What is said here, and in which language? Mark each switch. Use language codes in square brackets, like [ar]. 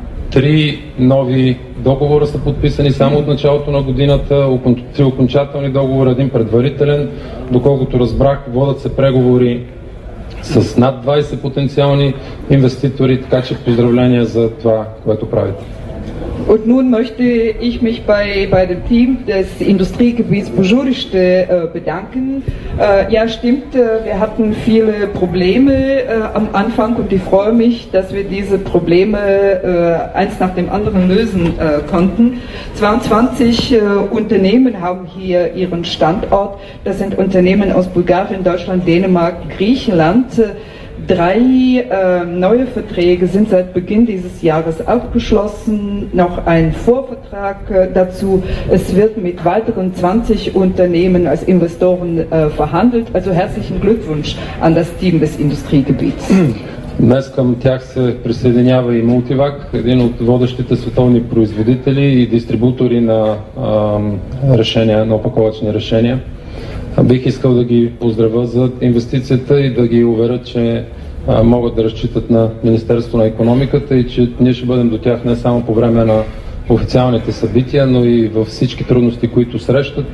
[bg] Три нови договора са подписани само от началото на годината, три окончателни договора, един предварителен. Доколкото разбрах, водят се преговори с над 20 потенциални инвеститори, така че поздравления за това, което правите. [de] Und nun möchte ich mich bei dem Team des Industriegebiets Bujurishte bedanken. Ja, stimmt, wir hatten viele Probleme am Anfang und ich freue mich, dass wir diese Probleme eins nach dem anderen lösen konnten. 22 Unternehmen haben hier ihren Standort. Das sind Unternehmen aus Bulgarien, Deutschland, Dänemark, Griechenland. Drei neue Verträge sind seit Beginn dieses Jahres abgeschlossen, noch ein Vorvertrag dazu. Es wird mit weiteren 20 Unternehmen als Investoren verhandelt. Also herzlichen Glückwunsch an das Team des Industriegebiets. [bg] Днес към тях се присъединява и Мултивак, един от водещите световни производители и дистрибутори на решения, на опаковъчни решения. Бих искал да ги поздравя за инвестицията и да ги уверя, че могат да разчитат на Министерство на икономиката и че ние ще бъдем до тях не само по време на официалните събития, но и във всички трудности, които срещат.